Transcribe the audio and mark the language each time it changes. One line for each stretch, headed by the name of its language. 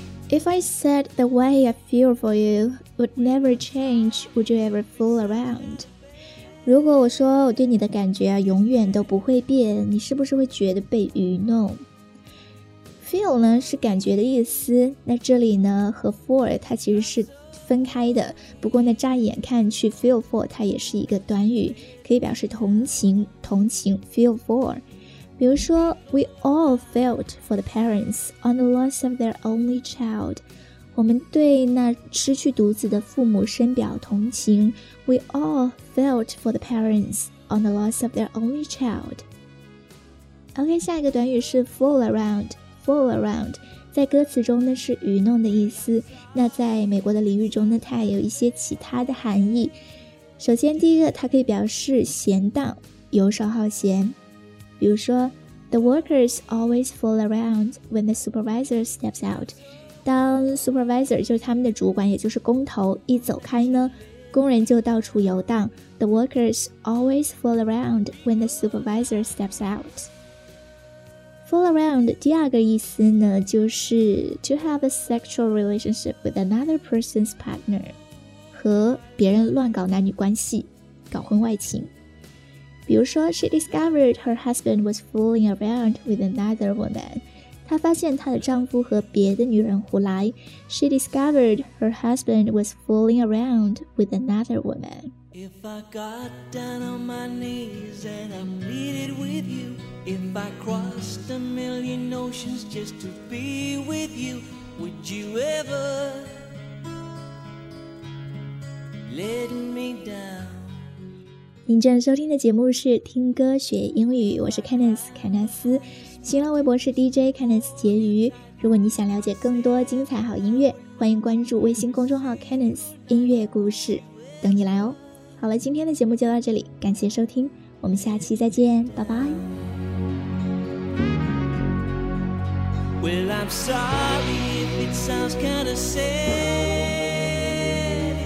English: If I said the way I feel for you would never change, would you ever fool around?
Chinese: 如果我说我对你的感觉啊永远都不会变，你是不是会觉得被愚弄？ Feel 呢是感觉的意思，那这里呢和 for 它其实是分开的，不过呢乍眼看去 feel for 它也是一个短语，可以表示同情 feel for。比如说
English: We all felt for the parents on the loss of their only child.
Chinese: 我们对那失去独子的父母深表同情。
English: We all felt for the parents on the loss of their only child.
Chinese: OK, 下一个短语是 fool around. 在歌词中呢是愚弄的意思，那在美国的俚语中呢它也有一些其他的含义。首先第一个，它可以表示闲荡，游手好闲。比如说
English: The workers always fool around when the supervisor steps out.
Chinese: 当 supervisor 就是他们的主管，也就是工头一走开呢，工人就到处游荡。
English: The workers always fool around when the supervisor steps out.
Chinese: Fool around 第二个意思呢，就是
English: to have a sexual relationship with another person's partner，
Chinese: 和别人乱搞男女关系，搞婚外情。比如说
English: She discovered her husband was fooling around with another woman.
Chinese: 她发现她的丈夫和别的女人胡来。
English: She discovered her husband was fooling around with another woman. If I got down on my knees and I pleaded with you, if I crossed a million oceans just to be with you, would you ever let me down?
Chinese: 您正收听的节目是听歌学英语，我是 Candice 凯纳斯，新浪微博是 DJ Candice 杰鱼。如果你想了解更多精彩好音乐，欢迎关注微信公众号 Candice 音乐故事，等你来哦。好了，今天的节目就到这里，感谢收听，我们下期再见，拜拜。
English: Well, I'm sorry if it sounds kind of sad.